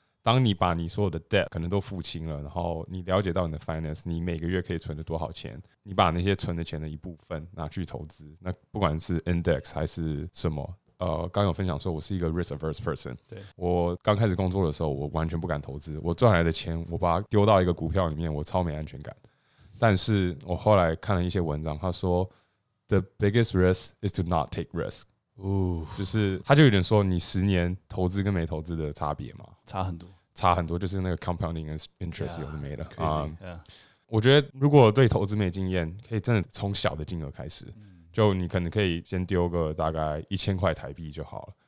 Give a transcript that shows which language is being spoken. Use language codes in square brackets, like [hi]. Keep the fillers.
[zh] 当你把你所有的 debt 可能都付清了，然后你了解到你的 finance，你每个月可以存的多少钱，你把那些存的钱的一部分拿去投资，那不管是 index 还是什么，呃，刚有分享说我是一个 risk averse person，对我刚开始工作的时候，我完全不敢投资，我赚来的钱，我把它丢到一个股票里面，我超没安全感。但是我后来看了一些文章，他说： [en] “The biggest risk is to not take risk。 [zh] ”哦，就是他就有点说，你十年投资跟没投资的差别嘛，差很多，差很多，就是那个 compounding interest 有的没的啊。我觉得如果对投资没经验，可以真的从小的金额开始，就你可能可以先丢个大概一千块台币就好了。